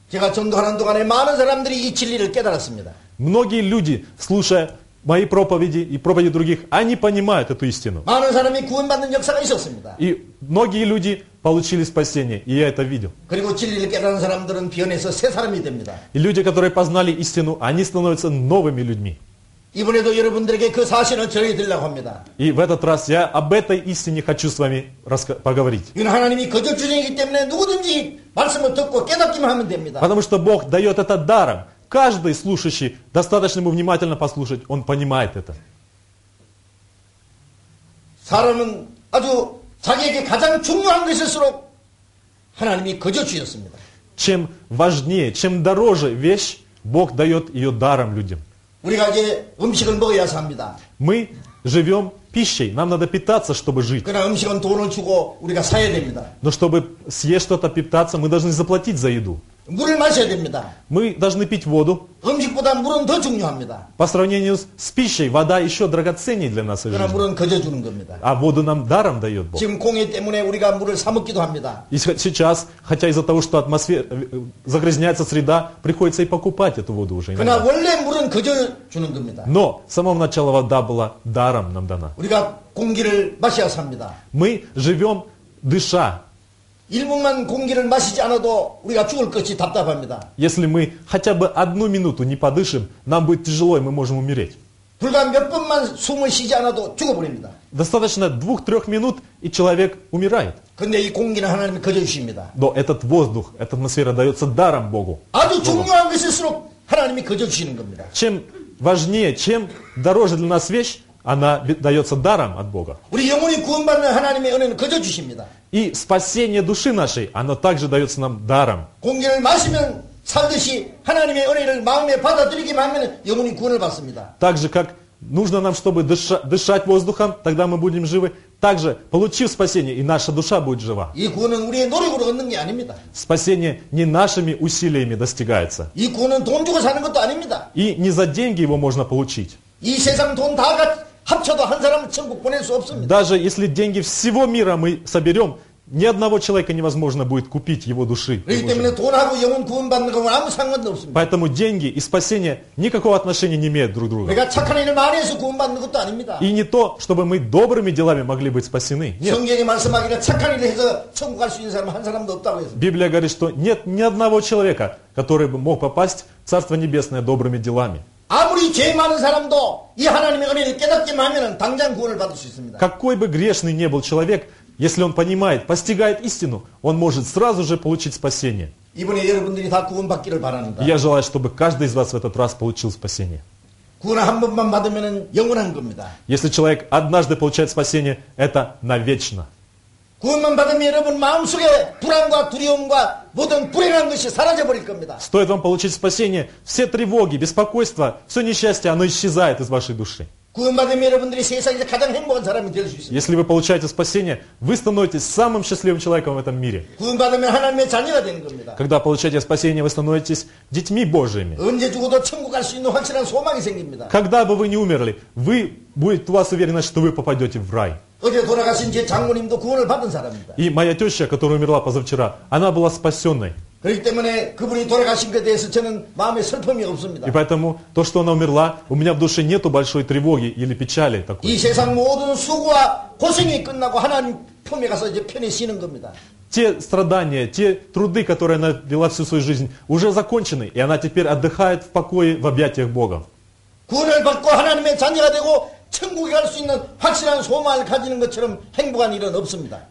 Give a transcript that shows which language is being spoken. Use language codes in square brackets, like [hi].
[ko] 제가 전도하는 동안에 많은 사람들이 이 진리를 깨달았습니다. [ru] Многие люди, слушая мои проповеди и проповеди других, они понимают эту истину. [ko] 많은 사람이 구원받는 역사가 있었습니다. [ru] И многие люди получили спасение, и я это видел. [ko] 그리고 진리를 깨달은 사람들은 변해서 새 사람이 됩니다. [ru] И люди, которые познали истину, они становятся новыми людьми. [ko] 이번에도 여러분들에게 그 사실을 전해드리려고 합니다. [ru] И в этот раз я об этой истине хочу с вами поговорить. [ko] 이건 하나님이 거저주시기 때문에 누구든지 말씀을 듣고 깨닫기만 하면 됩니다. [ru] Потому что Бог дает это даром. Каждый слушающий, достаточно ему внимательно послушать, он понимает это. [ko] 사람은 아주 자기에게 가장 중요한 것일수록 하나님이 거저주셨습니다. [ru] Чем важнее, чем дороже вещь, Бог дает ее даром людям. [ko] 우리가 이제 음식을 먹어야 삽니다. [ru] Мы живем пищей, нам надо питаться, чтобы жить. [ko] 그러나 음식은 돈을 주고 우리가 사야 됩니다. [ru] Но чтобы съесть что-то, питаться, мы должны заплатить за еду. [ko] 물을 마셔야 됩니다. [ru] Мы должны пить воду. [ko] 음식보다 물은 더 중요합니다. [ru] По сравнению с пищей, вода еще драгоценнее для нас. [ko] 그러나 물은 거저주는 겁니다. [ru] А воду нам даром дает Бог. [ko] 지금 공해 때문에 우리가 물을 사 먹기도 합니다. [ru] И сейчас, хотя из-за того, что атмосфера загрязняется среда, приходится и покупать эту воду уже. [ko] 그러나 원래 물은 거저주는 겁니다. [ru] Но с самого начала вода была даром нам дана. [ko] 우리가 공기를 마셔야 삽니다. [ru] Мы живем дыша. [ko] 1분만 공기를 마시지 않아도 우리가 죽을 것이 답답합니다. [ru] Если мы хотя бы одну минуту не подышим, нам будет тяжело, и мы можем умереть. [ko] 불과 몇 분만 숨을 쉬지 않아도 죽어버립니다. [ru] Достаточно 2-3 минут, и человек умирает. [ko] 근데 이 공기는 하나님이 거저주십니다. [ru] Но этот воздух, эта атмосфера дается даром Богу. [ko] 아주 중요한 것일수록 하나님이 거저주시는 겁니다. [ru] Чем важнее, чем дороже для нас вещь, она дается даром от Бога. [ko] 우리 영혼이 구원받는 하나님의 은혜는 거저주십니다. [ru] И спасение души нашей, оно также дается нам даром. [ko] 공기를 마시면 살듯이 하나님의 은혜를 마음에 받아들이기만 하면 영혼이 구원을 받습니다. [ru] Так же, как нужно нам, чтобы дышать воздухом, тогда мы будем живы. Также, получив спасение, и наша душа будет жива. [ko] 이 구원은 우리의 노력으로 얻는 게 아닙니다. [ru] Спасение не нашими усилиями достигается. [ko] 이 구원은 돈 주고 사는 것도 아닙니다. [ru] И не за деньги его можно получить. [ko] 이 세상 돈 다 합쳐도 한 사람은 천국 보낼 수 없습니다. [ru] Даже если деньги всего мира мы соберем, ни одного человека невозможно будет купить его души. [ko] 그렇기 때문에 돈하고 영혼 구원받는 건 아무 상관도 없습니다. [ru] Поэтому деньги и спасение никакого отношения не имеют друг к другу. [ko] 내가 착한 일을 많이 해서 구원받는 것도 아닙니다. [ru] И не то, чтобы мы добрыми делами могли быть спасены. [ko] 성경이 말씀하기를 착한 일을 해서 천국 갈 수 있는 사람 한 사람도 없다고 했습니다. [ru] Библия говорит, что нет ни одного человека, который бы мог попасть в Царство Небесное добрыми делами. [ko] 아무리 죄 많은 사람도 이 하나님의 은혜를 깨닫기만 하면은 당장 구원을 받을 수 있습니다. [ru] Какой бы грешный не был человек, если он понимает, постигает истину, он может сразу же получить спасение. [ko] 이번에 여러분들이 다 구원받기를 바랍니다. [ru] Я желаю, чтобы каждый из вас в этот раз получил спасение. [ko] 구원 한 번만 받으면은 영원한 겁니다. [ru] Если человек однажды получает спасение, это навечно. [ko] 구원만 받으면 여러분 마음속에 불안과 두려움과 모든 불행한 것이 사라져버릴 겁니다. [ru] Стоит вам получить спасение, все тревоги, беспокойства, все несчастье, оно исчезает из вашей души. [ko] 구원받으면 여러분들이 세상에서 가장 행복한 사람이 될 수 있습니다. [ru] Если вы получаете спасение, вы становитесь самым счастливым человеком в этом мире. [ko] 구원받으면 하나님의 자녀가 되는 겁니다. [ru] Когда получаете спасение, вы становитесь детьми Божьими. [ko] 언제 죽어도 천국 갈 수 있는 확실한 소망이 생깁니다. [ru] Когда бы вы не умерли, вы будет у вас уверенность, что вы попадете в рай. [ko] 어제 돌아가신 제 장모님도 구원을 받은 사람입니다. [ru] И моя теща, которая умерла позавчера, она была спасенной. [ko] 그렇기 때문에 그분이 돌아가신 것에 대해서 저는 마음에 슬픔이 없습니다. [ru] И поэтому то, что она умерла, у меня в душе нету большой тревоги или печали такой. [ko] 이 세상 모든 수고와 고생이 끝나고 하나님 품에 가서 이제 편히 쉬는 겁니다. [ru] Те страдания, те труды, которые она вела всю свою жизнь, уже закончены, и она теперь отдыхает в покое в объятиях Бога. [ko] 구원을 받고 하나님의 자녀가 되고 천국에 갈 수 있는 확실한 소망을 가지는 것처럼 행복한 일은 없습니다.